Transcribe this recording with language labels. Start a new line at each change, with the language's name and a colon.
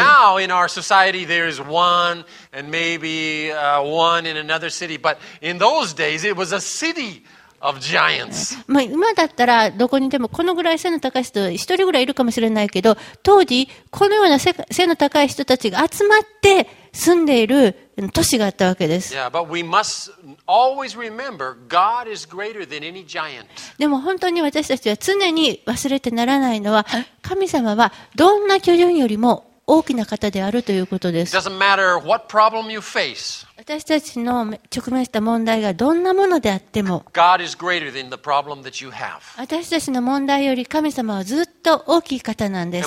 English: Now in our society there is one and maybe one in another city, but in those days it was a city of giants.
Japanese: まあ今だったらどこにでもこのぐらい背の高い人一人ぐらいいるかもしれないけど、当時このような背の高い人たちが集まって住んでいる都市があったわけです。
English: yeah, but we must always remember God is greater than any giant.
Japanese: でも本当に私たちは常に忘れてならないのは、神様はどんな巨人よりも大きな方であるということです。
English: It doesn't matter what problem you face.
Japanese: 私たちの直面した問題がどんなものであっても
English: God is greater than the problem that you have.
Japanese: 私たちの問題より神様はずっと大きい方なんです。